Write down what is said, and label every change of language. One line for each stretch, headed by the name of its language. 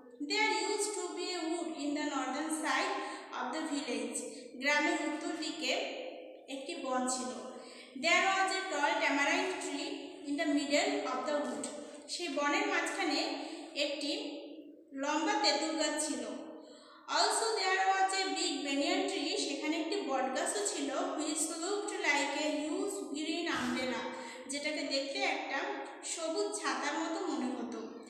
English: There used to be a wood in the northern side of the village.
Bangla: গ্রামের উত্তর দিকে একটি বন ছিল।
English: There was a tall tamarind tree in the middle of the wood.
Bangla: সেই বনের মাঝখানে একটি লম্বা তেঁতুল গাছ ছিল।
English: Also there was a big banyan tree,
Bangla: সেখানে একটি বট গাছও ছিল,
English: which looked like a huge green umbrella,
Bangla: যেটাকে দেখতে একটা সবুজ ছাতার মতো মনে হতো।